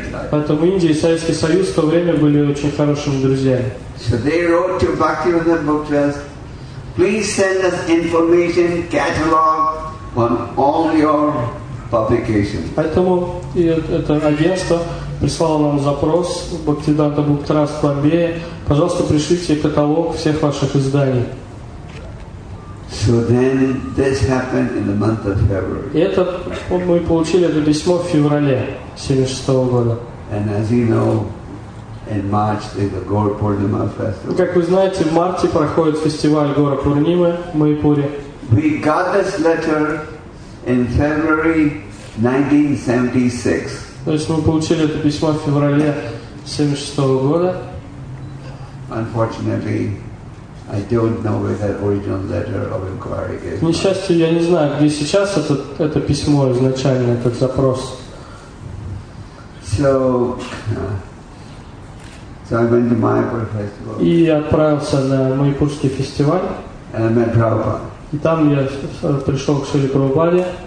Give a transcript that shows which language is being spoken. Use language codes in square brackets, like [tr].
[ru] Поэтому Индия и Советский Союз в то время были очень хорошими друзьями. [en] So they wrote to Bhaktivedanta Book Trust, please send us information catalog on all your publications. [ru] Поэтому это агентство прислало нам запрос в Бхактивиданта Бук Траст в Бомбее. Пожалуйста, пришлите каталог всех ваших изданий. [en] So then this happened in the month of February. [ru] И это мы получили это письмо в феврале 76 года. [en] And as you know, in March there's a Gaur Purnima festival. [ru] Как вы знаете, в марте проходит фестиваль Гора Пурнимы в Майпуре. [en] We got this letter in February 1976. [ru] То есть мы получили это письмо в феврале 76 года. [en] Unfortunately, I don't know where that original letter of inquiry is. [ru] К несчастью, я не знаю, где сейчас это письмо изначально, этот запрос. [en] So I went to Mayapur festival. [ru] И отправился на Майпурский фестиваль. [en] And I met Prabhupada. [ru] И там я пришел к Шриле Прабхупаде.